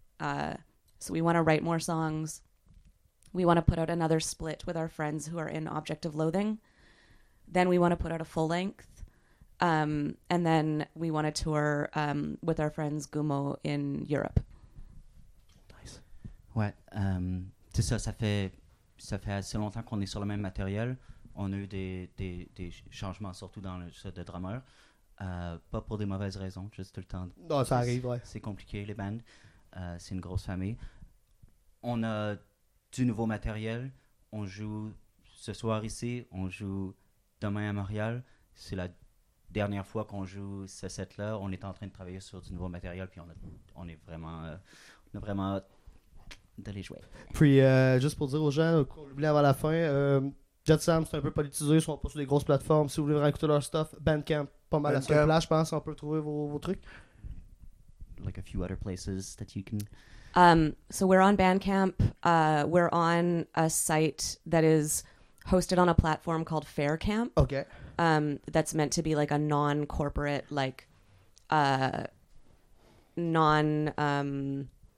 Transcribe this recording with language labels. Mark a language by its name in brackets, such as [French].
[English] So we want to write more songs. We want to put out another split with our friends who are in Object of Loathing. Then we want to put out a full length. And then we want to tour with our friends Gumo in Europe. Nice. What? [French] C'est ça, ça fait assez longtemps qu'on est sur le même matériel. On a eu des changements, surtout dans le jeu de drummer. Pas pour des mauvaises raisons, juste tout le temps. Non, ça arrive, ouais. C'est compliqué, les bands. C'est une grosse famille. On a du nouveau matériel. On joue ce soir ici. On joue demain à Montréal. C'est la dernière fois qu'on joue ce set-là. On est en train de travailler sur du nouveau matériel. Puis on est vraiment de les jouer. Puis, juste pour dire aux gens, qu'on oublie avant la fin, Jet Sam, c'est un peu politisé, ils sont pas sur des grosses plateformes. Si vous voulez réécouter leur stuff, Bandcamp, pas mal Bandcamp. À ce place, je pense, on peut trouver vos trucs. [English] Like a few other places that you can... So we're on Bandcamp. We're on a site that is hosted on a platform called Faircamp. Okay. That's meant to be like a non-corporate, like, non...